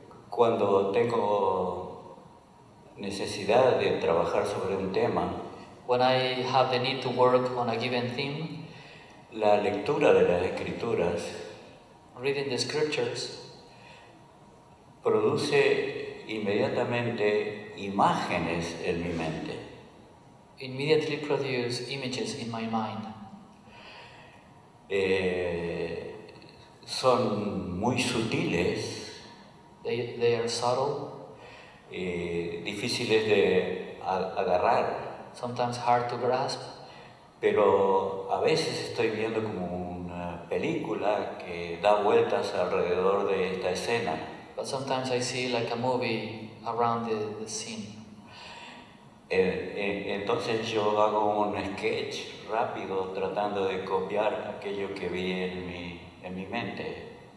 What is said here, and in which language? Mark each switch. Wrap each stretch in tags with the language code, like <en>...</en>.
<es>Cuando tengo necesidad de trabajar sobre un tema,</es> <en>when I have the need to work on a given theme,</en> <es>la lectura de las escrituras,</es> <en>reading the scriptures,</en> <es>produce inmediatamente imágenes en mi mente.</es> <en>Immediately produce images in my mind.</en> <es>Son muy sutiles.</es> <en>They are subtle.</en> <es>Difíciles de agarrar.</es> <en>Sometimes hard to grasp.</en> <es>Pero a veces estoy viendo como una película que da vueltas alrededor de esta escena.</es> <en>But sometimes I see like a movie around the scene.</en> <es>Entonces yo hago un sketch rápido tratando de copiar aquello que vi en mi mente.</es>